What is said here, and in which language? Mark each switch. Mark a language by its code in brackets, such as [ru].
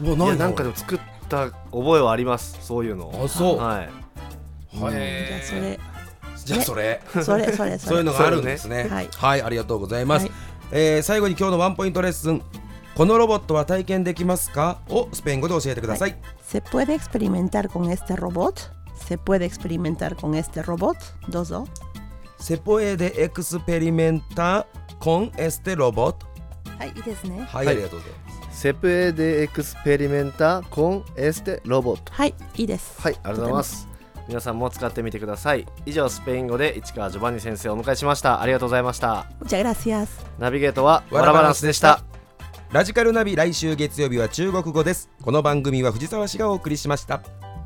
[ja] もう、いや、なんかでも作った覚えはあります、そういうの。あ、そう、はい、じゃあそれ、じゃあそれ、それそれそういうのがあるんですね。はい、はい、ありがとうございます。はい、最後に今日のワンポイントレッスン、このロボットは体験できますかをスペイン語で教えてください。 [es] Se puede experimentar con este robot? Se puede experimentar con este robot? [ja] どうぞ。 [es] Se puede experimentar con este robot? [ja] はい、いいですね。はい、ありがとうございます。 [es] Se puede experimentar con este robot? [ja] はい、いいです。はい、ありがとうございます。皆さんも使ってみてください。以上、スペイン語で市川ジョバンニ先生をお迎えしました。ありがとうございました。 [es] Muchas gracias。 [ja] ナビゲートはワラバランスでした。ラジカルナビ、来週月曜日は中国語です。この番組は藤沢市がお送りしました。